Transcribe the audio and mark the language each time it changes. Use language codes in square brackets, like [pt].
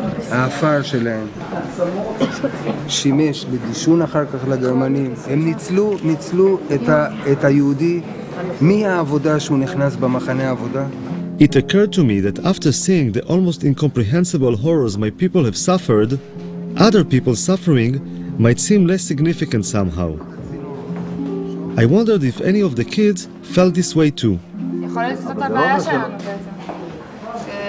[he] האפר שלהם שימש לדישון אחר כך לגרמנים. הם ניצלו את היהודי מהעבודה שהוא נכנס במחנה העבודה. [en] It occurred to me that after seeing the almost incomprehensible horrors my people have suffered, other people's suffering might seem less significant somehow. I wondered if any of the kids felt this way too. [he] יכול להיות שזאת הבעיה שלנו בעצם.